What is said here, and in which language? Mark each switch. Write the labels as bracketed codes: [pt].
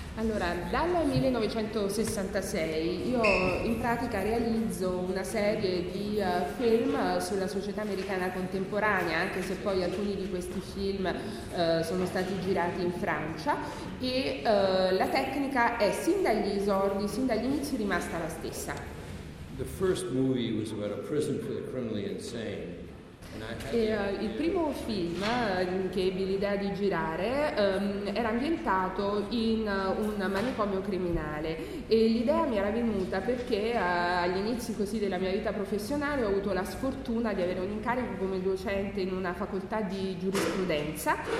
[it] Allora, dal 1966 io in pratica realizzo una serie di film sulla società americana contemporanea, anche se poi alcuni di questi film sono stati girati in Francia, e la tecnica è sin dagli esordi, sin dagli inizi, rimasta la stessa. [en] The first movie was about a prison for the criminally insane. [it] E, il primo film che ebbi l'idea di girare era ambientato in un manicomio criminale, e l'idea mi era venuta perché agli inizi così della mia vita professionale ho avuto la sfortuna di avere un incarico come docente in una facoltà di giurisprudenza,